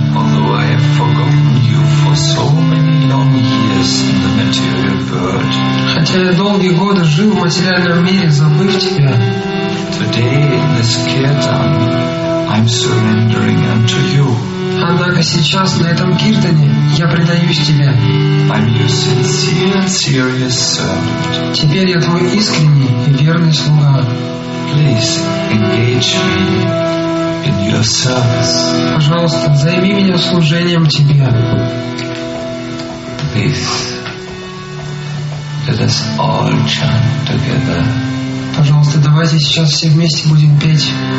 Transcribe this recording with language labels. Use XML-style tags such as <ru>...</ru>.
<en>Although I have forgotten you for so many long years in the material world.</en> <ru>Хотя я долгие годы жил в материальном мире, забыв тебя.</ru> <en>Today in this kirtan, I'm surrendering unto you.</en> <ru>Однако сейчас на этом киртане я предаюсь тебе.</ru> <en>I'm your sincere and serious servant.</en> <ru>Теперь я твой искренний и верный слуга.</ru> <en>Please engage me in your service.</en> <ru>Пожалуйста, займи меня служением тебе.</ru> <en>Please, let us all chant together.</en> <ru>Пожалуйста, давайте сейчас все вместе будем петь.</ru>